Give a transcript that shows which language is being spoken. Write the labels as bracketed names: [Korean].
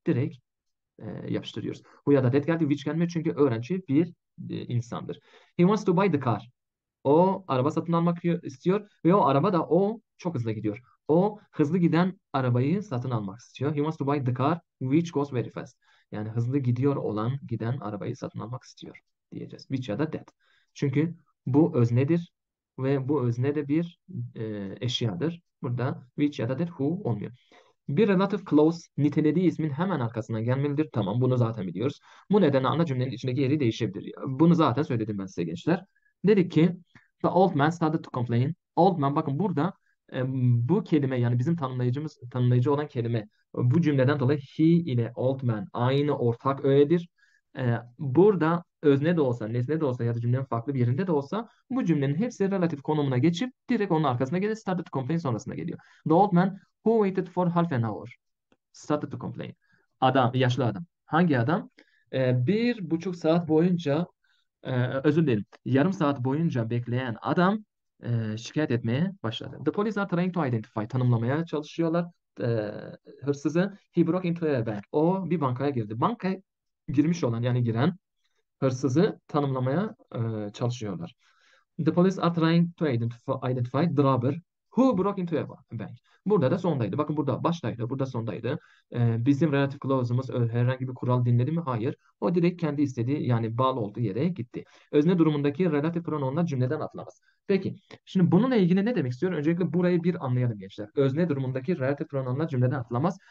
[Turkish] Direkt yapıştırıyoruz. Who ya da that geldi. Which gelmiyor çünkü öğrenci bir insandır. [English] He wants to buy the car. [Turkish] O araba satın almak istiyor ve o araba da o çok hızlı gidiyor. O hızlı giden arabayı satın almak istiyor. [English] He wants to buy the car which goes very fast. [Turkish] Yani hızlı gidiyor olan giden arabayı satın almak istiyor diyeceğiz. [English] Which are the dead. [Turkish] Çünkü bu öznedir ve bu özne de bir eşyadır. Burada [English] which are the dead, [Turkish] who olmuyor. Bir relative clause nitelediği ismin hemen arkasına gelmelidir. Tamam, bunu zaten biliyoruz. Bu nedenle ana cümlenin içindeki yeri değişebilir. Bunu zaten söyledim ben size gençler. Dedik ki [English] the old man started to complain. [Turkish] Old man, bakın burada bu kelime, yani bizim tanımlayıcı olan kelime, bu cümleden dolayı he ile old man aynı ortak öğedir. Burada özne de olsa, nesne de olsa ya da cümlenin farklı bir yerinde de olsa bu cümlenin hepsi relatif konumuna geçip direkt onun arkasına gelir. [English] Started to complain [Turkish] sonrasında geliyor. [English] The old man who waited for half an hour started to complain. [Turkish] Adam, yaşlı adam. Hangi adam? 1,5 saat boyunca, özür dilerim, yarım saat boyunca bekleyen adam şikayet etmeye başladı. [English] The police are trying to identify, [Turkish] tanımlamaya çalışıyorlar hırsızı. [English] He broke into a bank. [Turkish] O bir bankaya girdi. Bankaya girmiş olan, yani giren hırsızı tanımlamaya çalışıyorlar. [English] The police are trying to identify the robber who broke into a bank. [Turkish] Burada da sondaydı. Bakın burada baştaydı, burada sondaydı. Bizim relative clause'umuz herhangi bir kural dinledi mi? Hayır. O direkt kendi istediği, yani bağlı olduğu yere gitti. Özne durumundaki relative pronounla cümleden atlamaz. Peki, şimdi bununla ilgili ne demek istiyorum? Öncelikle burayı bir anlayalım gençler. Özne durumundaki relative pronounla cümleden atlamaz.